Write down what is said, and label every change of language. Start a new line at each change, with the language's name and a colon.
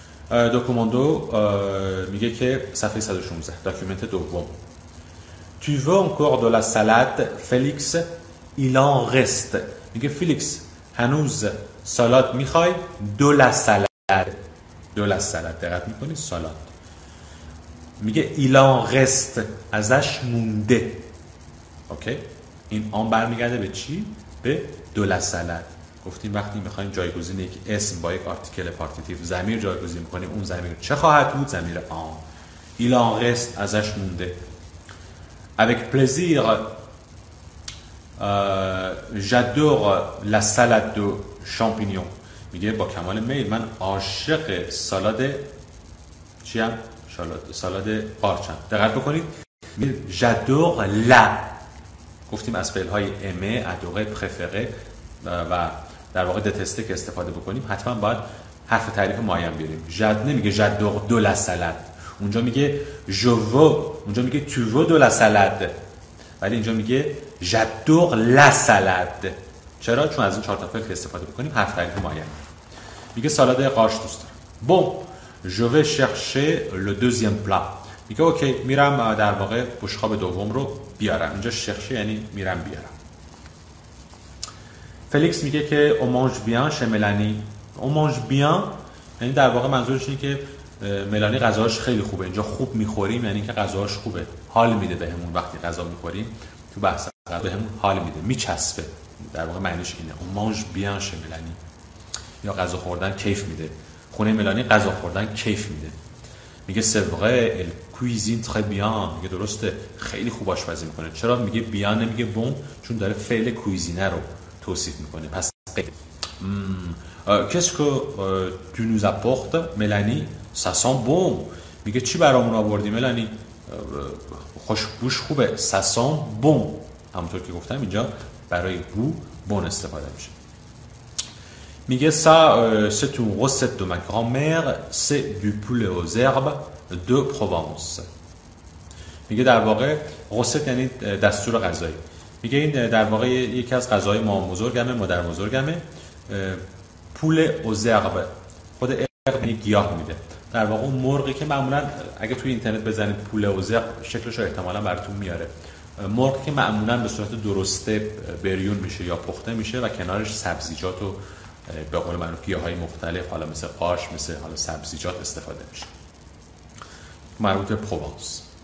Persian: دوکومنت دو میگه که صفحه 116، داکیومنت دوم،
French: tu veux encore de la salade Félix il en reste،
Persian: میگه Félix هنوز سالاد میخوای؟ دو لا سالاد، دو لا سالاد، دقت میکنی سالاد، میگه il en reste ازش مونده. اوکی این آن برمیگرده به چی؟ به دو لا سالاد. گفتیم وقتی میخوایم جایگزین یک اسم با یک آرتیکل پارتیتیو ضمیر جایگزین میکنیم، اون ضمیر چه خواهد بود؟ ضمیر آن،
French: il en reste
Persian: ازش مونده.
French: Avec plaisir, j'adore la salade de champignons.
Persian: میگه با کمال میل من عاشق سالاد چیم؟ سالاد قارچم. دقت بکنید.
French: j'adore la.
Persian: گفتیم از فعل های aimer, adorer, préférer و در واقع دتسته که استفاده بکنیم، حتما باید حرف تعریف مایم بیاریم. جد نمیگه
French: j'adore de la salade. اونجا میگه je veux، اونجا میگه tu veux de la salade،
Persian: ولی اینجا میگه
French: j'adore la salade.
Persian: چرا؟ چون از این چهار تا فعل که استفاده بکنیم حرف تعریف معین میگه سالاد قارچ دوست دارم.
French: bon je vais chercher le deuxième plat،
Persian: میگه اوکی میرم در واقع بشقاب دوم رو بیارم. اینجا chercher یعنی میرم بیارم.
French: Félix
Persian: میگه که
French: on mange bien chez Mélanie.
Persian: on mange bien یعنی در واقع منظورش اینه که ملانی غذاش خیلی خوبه، اینجا خوب میخوریم یعنی که غذاش خوبه، حال میده به همون وقتی غذا میخوریم، تو بحث غذا به همون حال میده، میچسبه، در واقع معنیش اینه اون مانج بیان شه ملانی، یا غذا خوردن کیف میده، خونه ملانی غذا خوردن کیف میده. میگه سبغه ال کویزین تخه بیان، میگه درسته خیلی خوب آشپزی میکنه. چرا میگه بیان نمیگه بوم؟ چون داره فعل کویزینه رو توصیف میکنه.
French: پس qu'est-ce que tu nous apportes Mélanie؟ ça sent bon.
Persian: میگه چی برامون آوردی ملانی؟ خوشبوش خوبه.
French: ça sent bon.
Persian: همونطور که گفتم اینجا برای بو بون استفاده میشه.
French: میگه ça c'est une recette de ma grand-mère, c'est du poulet aux herbes de Provence.
Persian: میگه در واقع رسیت یعنی دستور غذایی. میگه این در واقع یکی از غذاهای مادربزرگمه، مادربزرگمه. پوله اوزرب، خود ارب گیاه میده، در واقع اون مرغی که معمولا اگه توی اینترنت بزنید پوله اوزرب شکلش رو احتمالا براتون میاره، مرغی که معمولا به صورت درسته بریون میشه یا پخته میشه و کنارش سبزیجات و به قول من گیاهای مختلف، حالا مثل قاش، مثل حالا سبزیجات استفاده میشه، مربوط به پروانس.